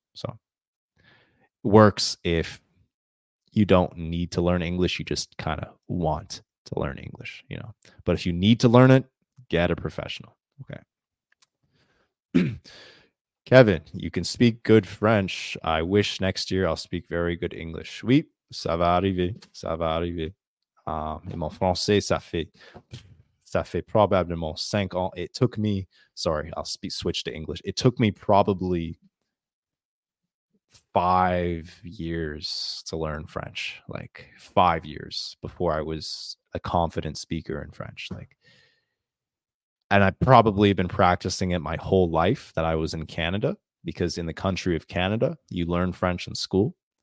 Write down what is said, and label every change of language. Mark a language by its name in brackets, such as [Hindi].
[English] So it works if you don't need to learn English, you just kind of want to learn English, you know. But if you need to learn it, get a professional. Okay. Kevin, you can speak good French. I wish next year I'll speak very good English. Sweet. [French] Ça va arriver, ça va arriver. Et mon français, ça fait probablement 5 ans. [English] It took me, switch to English. It took me probably 5 years to learn French, like 5 years before I was a confident speaker in French. Like, and I've probably been practicing it my whole life that I was in Canada, because in the country of Canada, you learn French in school.